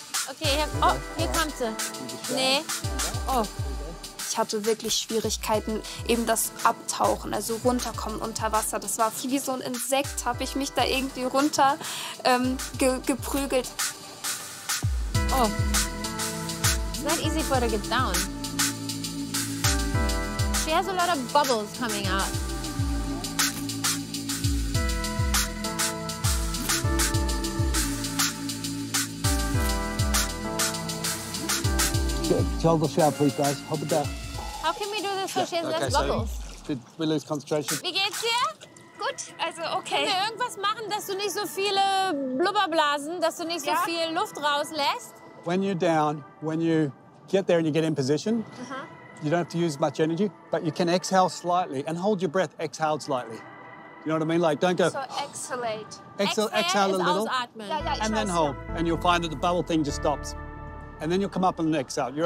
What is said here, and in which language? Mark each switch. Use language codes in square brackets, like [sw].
[de] Okay, hier, oh, hier kommt sie. Nee. Oh. Ich hatte wirklich Schwierigkeiten, eben das Abtauchen, also runterkommen unter Wasser. Das war wie so ein Insekt, habe ich mich da irgendwie runter geprügelt. [en] Oh, it's not easy for her to get down. She has a lot of bubbles coming out. Tell the shower, please, guys. Hop it down. How can we do this so she has less bubbles? We lose concentration. [de] Wie geht's dir? Gut, also okay. Können wir irgendwas machen, dass du nicht so viele Blubberblasen, dass du nicht so viel Luft rauslässt? [en] When you're down, when you get there and you get in position, you don't have to use much energy, but you can exhale slightly and hold your breath exhaled slightly. You know what I mean? Like, don't go. So exhalate. Exhale a little. [de] Ausatmen. [en] Yeah, yeah, and then hold. And you'll find that the bubble thing just stops. And then you'll come up on the next out. You're